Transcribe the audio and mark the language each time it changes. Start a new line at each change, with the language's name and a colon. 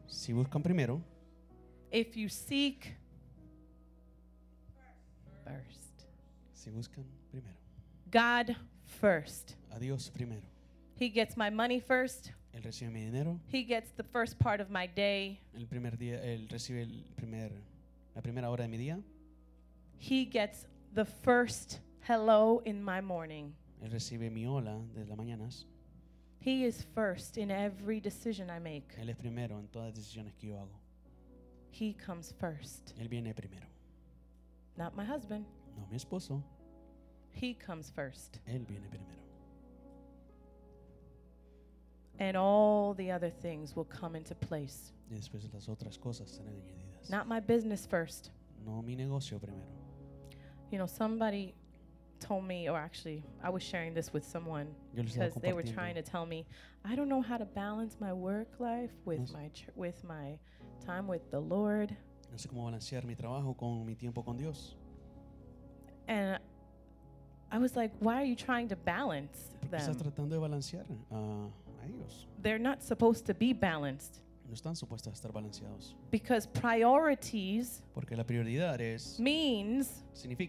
Spanish: Si buscan primero.
English: If you seek first.
Spanish: Si buscan primero.
English: God first.
Spanish: A Dios primero.
English: He gets my money first.
Spanish: Él recibe mi dinero.
English: He gets the first part of my day.
Spanish: El primer día, él recibe la primera hora de mi día.
English: He gets the first hello in my morning.
Spanish: Él recibe mi hola de las mañanas.
English: He is first in every decision I make.
Spanish: Él es primero en todas las decisiones que yo hago.
English: He comes first.
Spanish: Él viene primero.
English: Not my husband.
Spanish: No, mi esposo.
English: He comes first.
Spanish: Él viene primero.
English: And all the other things will come into place.
Spanish: Y después las otras cosas serán añadidas.
English: Not my business first.
Spanish: No mi negocio primero.
English: You know, somebody told me, or actually, I was sharing this with someone because they were trying to tell me, I don't know how to balance my work life with my time with the Lord.
Spanish: No sé cómo balancear mi trabajo con mi tiempo con Dios.
English: And I was like, why are you trying to balance them?
Spanish: ¿Estás tratando de balancear a ellos?
English: They're not supposed to be balanced.
Spanish: No están supuestos a estar balanceados.
English: Because priorities,
Spanish: porque la prioridad es,
English: means
Spanish: significa,